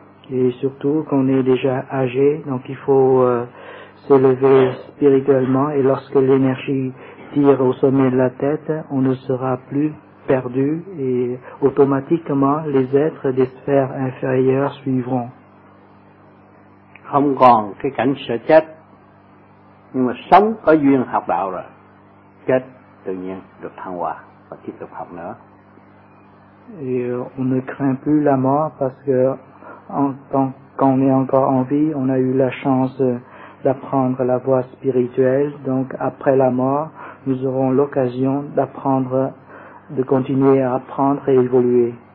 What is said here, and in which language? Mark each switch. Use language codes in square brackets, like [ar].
[fr] Et surtout qu'on est déjà âgé, donc il faut s'élever spirituellement. Et lorsque l'énergie tire au sommet de la tête, on ne sera plus perdue et automatiquement les êtres des sphères inférieures suivront. [vi] Không còn cái cảnh sợ chết, nhưng mà sống có duyên học đạo rồi, chết tự nhiên được thăng hoa và tiếp tục học nữa. [fr] Et on ne craint plus la mort parce que en tant qu'on est encore en vie, on a eu la chance d'apprendre la voie spirituelle. Donc après la mort, nous aurons l'occasion d'apprendre, de continuer à apprendre et évoluer.